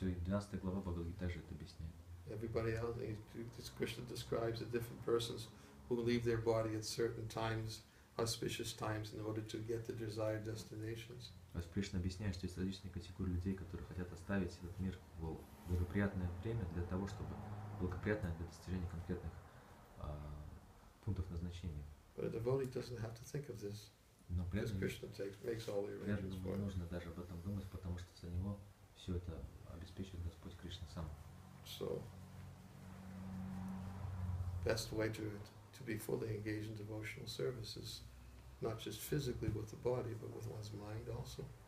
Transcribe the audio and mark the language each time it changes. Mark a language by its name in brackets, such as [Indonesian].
[English] Everybody else, Krishna describes the different persons who leave their body at certain times, auspicious times, in order to get the desired destinations. As [Russian] Krishna объясняет, что есть различные категории людей, которые хотят оставить этот мир в благоприятное время для того, чтобы благоприятное для достижения конкретных пунктов назначения. [English] But a devotee doesn't have to think of this. [Russian] Но преданный, [English] Krishna takes, makes all the arrangements for him. [Russian] Не нужно даже об этом думать, потому что за него все это обеспечивает Господь Кришна сам. [English] So, best way to be fully engaged in devotional service is not just physically with the body, but with one's mind also.